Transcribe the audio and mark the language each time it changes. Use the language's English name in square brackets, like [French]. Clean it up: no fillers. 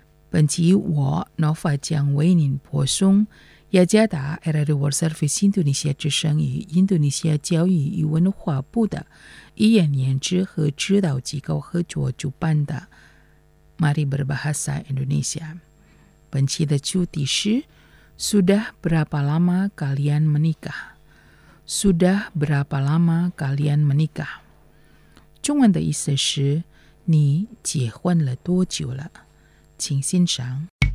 [Chinese] 本期我 Nova 将为您播送雅加达 RRI World Service Indonesia 之声与印度尼西亚教育与文化部的一言研制和指导机构合作主办的 Mari Berbahasa Indonesia。本期的主题是 [Indonesian] Sudah berapa lama kalian menikah? Sudah berapa lama kalian menikah? [Chinese] 中文的意思是你结婚了多久了？请欣赏。